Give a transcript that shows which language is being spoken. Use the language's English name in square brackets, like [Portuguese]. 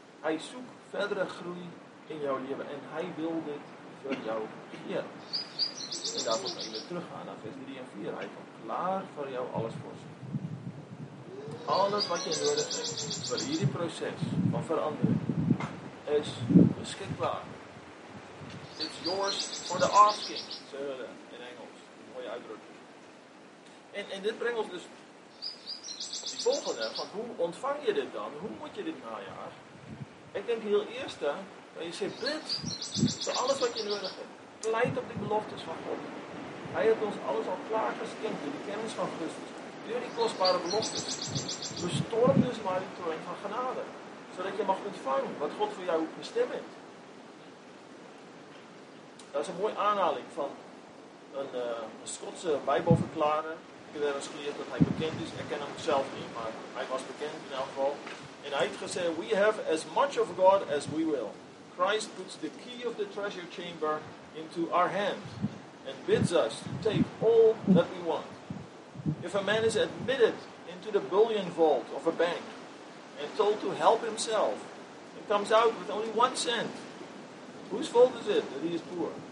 [Dutch] Hij zoekt verdere groei in jouw leven. En hij wil dit voor jou hier. En daarvoor kan je weer teruggaan naar vers 3 en 4. Hij komt klaar voor jou alles voorzien. Alles wat je nodig hebt voor hierdie proces van verandering is beschikbaar. [English] It's yours for the asking, [Dutch] zeggen we in Engels. Een mooie uitdrukking. En dit brengt ons dus die volgende, van hoe ontvang je dit dan? Hoe moet je dit najaar? Ik denk heel eerst, dat je zegt, bid voor alles wat je nodig hebt. Pleit op die beloftes van God. Hij heeft ons alles al klaargeschenkt in de kennis van Christus. Door die kostbare beloftes. Bestorm dus maar die troon van genade. Zodat je mag ontvangen wat God voor jou bestemd heeft. Dat is een mooie aanhaling van een Schotse bijbelverklarer. Ik heb ergens geleerd dat hij bekend is. Ik ken hem zelf niet, maar hij was bekend in elk geval. En hij heeft gezegd, [English] we have as much of God as we will. Christ puts the key of the treasure chamber into our hand and bids us to take all that we want. If a man is admitted into the bullion vault of a bank and told to help himself and comes out with only 1 cent, whose fault is it that he is poor?